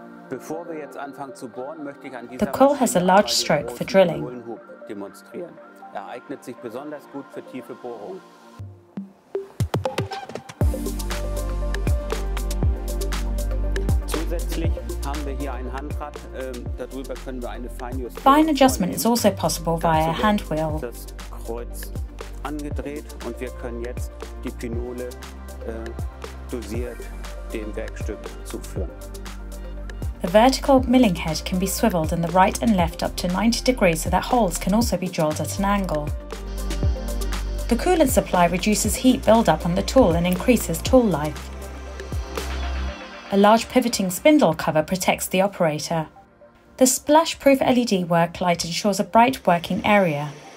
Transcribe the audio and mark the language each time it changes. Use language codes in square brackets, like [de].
[en] The quill has a large stroke for drilling. [de] Eignet sich besonders gut für tiefe Bohrungen. Zusätzlich haben wir hier ein Handrad, darüber können wir eine [en] Fine Adjustment is also possible via hand wheel. [de] Das Kreuz angedreht und wir können jetzt die Pinole dosiert dem Werkstück zuführen. [en] The vertical milling head can be swiveled in the right and left up to 90 degrees so that holes can also be drilled at an angle. The coolant supply reduces heat buildup on the tool and increases tool life. A large pivoting spindle cover protects the operator. The splash-proof LED work light ensures a bright working area.